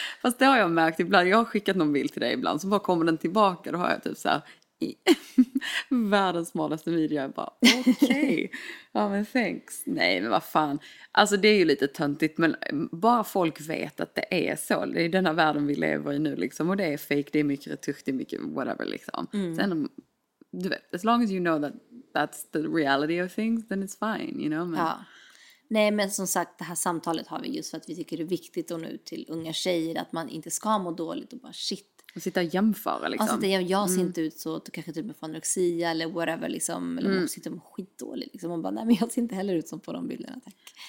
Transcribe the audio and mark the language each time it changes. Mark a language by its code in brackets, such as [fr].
[sv] Fast det har jag märkt ibland. Jag har skickat någon bild till dig ibland, så bara kommer den tillbaka. Då har jag typ så här, världens smalaste video. Jag bara, okej. Okay. Ja, men thanks. Nej, men vad fan. Alltså, det är ju lite töntigt. Men bara folk vet att det är så. Det är den här världen vi lever i nu, liksom. Och det är fake, det är mycket retusch, det är mycket whatever, liksom. Mm. [en] Sen, du vet, as long as you know that that's the reality of things, then it's fine, you know? [sv] Men, ja. Nej, men som sagt, det här samtalet har vi just för att vi tycker det är viktigt att nå ut till unga tjejer, att man inte ska må dåligt och bara shit. Och sitta och jämföra, liksom. Alltså, jag ser inte ut så, att du kanske typ med anorexia eller whatever, liksom. Eller man sitter med skitdålig, liksom. Och bara, nej, men jag ser inte heller ut som på de bilderna, tack.